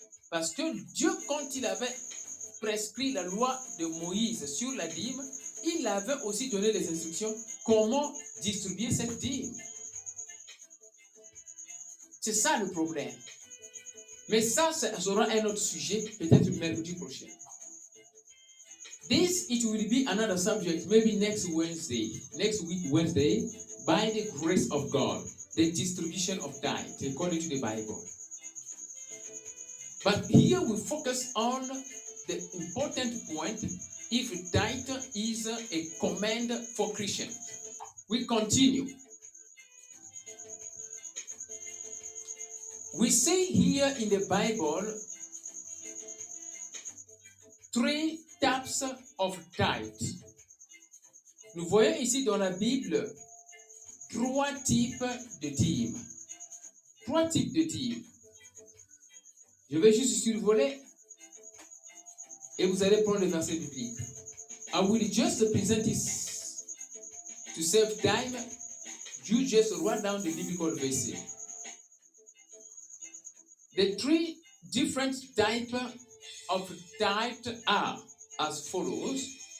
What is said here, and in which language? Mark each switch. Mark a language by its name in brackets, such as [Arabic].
[French] Parce que Dieu, quand il avait prescrit la loi de Moïse sur la dîme, il avait aussi donné des instructions comment distribuer cette dîme. C'est ça le problème. Mais ça, ça sera un autre sujet, peut-être mercredi prochain. [English] This, it will be another subject, maybe next Wednesday. Next week, Wednesday, by the grace of God. The distribution of tithe according to the Bible. But here we focus on the important point, if tithe is a command for Christians. We continue. We see here in the Bible three types of tithe. [French] Nous voyons ici dans la Bible trois types de dîmes. Trois types de dîmes. Je vais juste survoler et vous allez prendre le verset biblique. [English] I will just present this to save time. You just write down the biblical verses. The three different types of tithe are as follows.